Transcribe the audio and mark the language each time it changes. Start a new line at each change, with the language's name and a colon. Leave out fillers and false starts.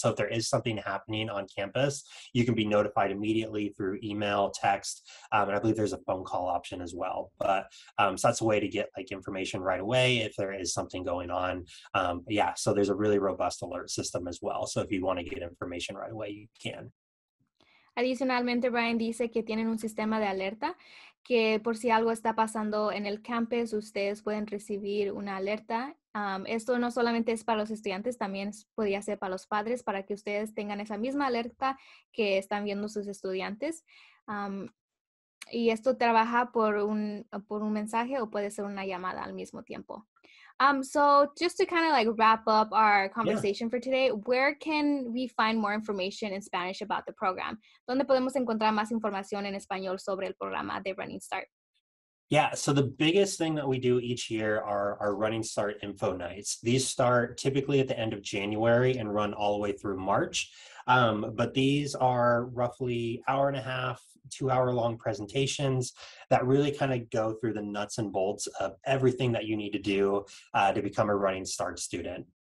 English: So if there is something happening on campus, you can be notified immediately through email, text, and I believe there's a phone call option as well. But so that's a way to get information right away if there is something going on. So there's a really robust alert system as well. So if you want to get information right away, you can.
Spanish: Adicionalmente, Brian dice que tienen un sistema de alerta que por si algo está pasando en el campus, ustedes pueden recibir una alerta. Esto no solamente es para los estudiantes, también podría ser para los padres, para que ustedes tengan esa misma alerta que están viendo sus estudiantes. Y esto trabaja por un mensaje o puede ser una llamada al mismo tiempo.
English: So just to kind of like wrap up our conversation for today, where can we find more information in Spanish about the program?
Spanish: ¿Dónde podemos encontrar más información en español sobre el programa de Running Start?
English: Yeah, so the biggest thing that we do each year are our Running Start Info Nights. These start typically at the end of January and run all the way through March. But these are roughly hour and a half, 2 hour long presentations that really kind of go through the nuts and bolts of everything that you need to do to become a Running Start student.